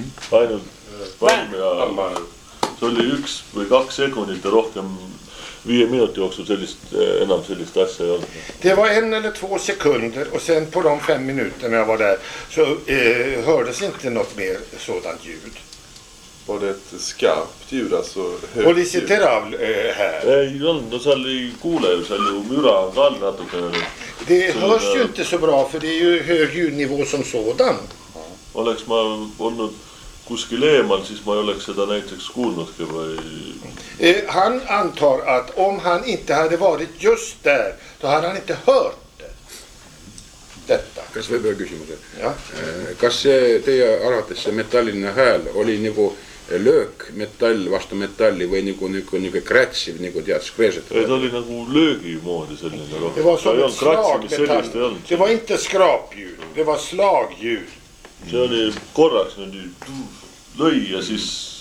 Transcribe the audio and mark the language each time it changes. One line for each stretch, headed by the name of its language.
Estonian: Ainult palm ja see oli üks või kaks sekundit ja rohkem viie minuti jooksul enam sellist asja ei olnud.
Swedish: Det var en eller två sekunder och sen på de fem minuterna jag var där så hördes inte något mer sådant ljud. Var det ett skarpt ljud, alltså högt ljud? Polisiter av här.
Estonian: Ei olnud, no seal ei kuule ju, seal ju müra on kall natuke.
Swedish: Det hörs ju inte så bra, för det är ju hög ljudnivå som sådan.
Estonian: Oleks ma olnud kuskil eemal, siis ma ei oleks seda näiteks kuulnudki või...
Swedish: Han antar att om han inte hade varit just där, då hade han inte hört detta.
Estonian: Kas võib öelda küsimus? Kas see teie arvates see metalline hääl oli nagu löök metall vastu metalli või nagu krätsiv, nagu tead, skreeset? Ei, ta oli nagu löögi moodi selline.
Swedish: Det var som ett slagmetall. Det var inte skrapljud, det var slagljud.
Estonian: See oli korraks nüüd lõi ja siis...